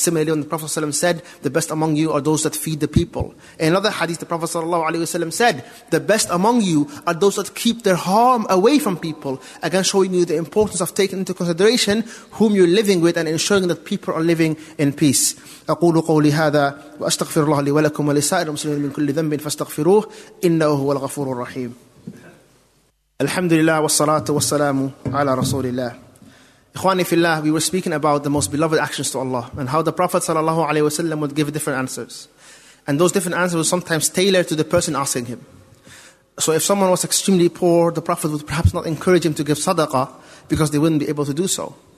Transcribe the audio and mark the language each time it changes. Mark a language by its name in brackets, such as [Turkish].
[English] Similarly, when the Prophet sallallahu alaihi wasallam said, the best among you are those that feed the people. In another hadith, the Prophet sallallahu alaihi wasallam said, the best among you are those that keep their harm away from people. Again, showing you the importance of taking into consideration whom you're living with and ensuring that people are living in peace. [Arabic] أقول قولي هذا وأستغفر الله لي ولكم ولسائر المسلمين من كل ذنب فاستغفروه إنه هو الغفور الرحيم. الحمد لله والصلاة والسلام على رسول الله. إخواني في الله, [English] we were speaking about the most beloved actions to Allah and how the Prophet صلى الله عليه وسلم would give different answers, and those different answers were sometimes tailored to the person asking him. So if someone was extremely poor, the Prophet would perhaps not encourage him to give sadaqah because they wouldn't be able to do so.